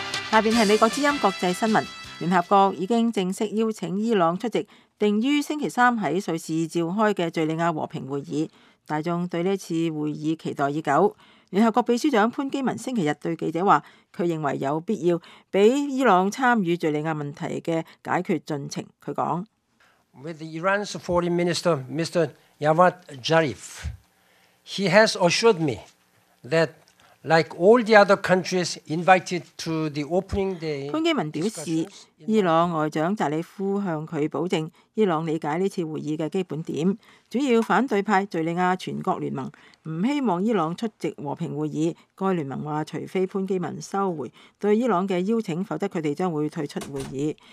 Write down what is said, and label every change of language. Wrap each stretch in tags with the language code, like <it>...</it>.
<zh>下面是美国之音国际新闻。联合国已经正式邀请伊朗出席定于星期三在瑞士召开的叙利亚和平会议，大眾對這次會議期待已久。聯合國秘書長潘基文星期日對記者說，他認為有必要給伊朗參與敘利亞問題的解決進程。他說</zh> <en>With the Iran's foreign minister Mr. Javad Zarif, he has assured me that like all the other countries invited to the opening day,</en> <zh>潘基文表示，伊朗外長扎里夫向他保證伊朗理解這次會議的基本點，主要反對派敘利亞全國聯盟不希望伊朗出席和平會議。該聯盟說，除非潘基文收回對伊朗的邀請，否則他們將會退出會議。</zh>